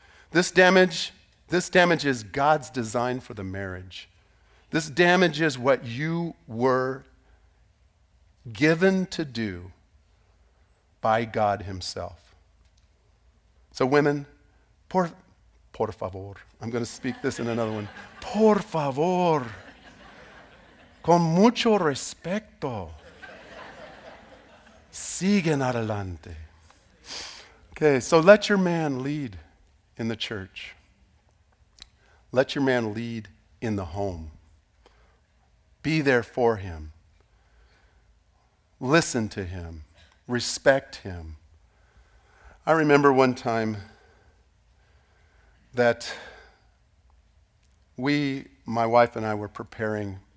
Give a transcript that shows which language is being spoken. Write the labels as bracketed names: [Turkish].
[English] This damage is God's design for the marriage. This damage is what you were given to do by God himself. So women, [Spanish] por favor, [English] I'm going to speak this in another one. [Spanish] Por favor, con mucho respeto, siguen adelante. [English] Okay, so let your man lead in the church. Let your man lead in the home. Be there for him. Listen to him. Respect him. I remember one time that my wife and I were preparing.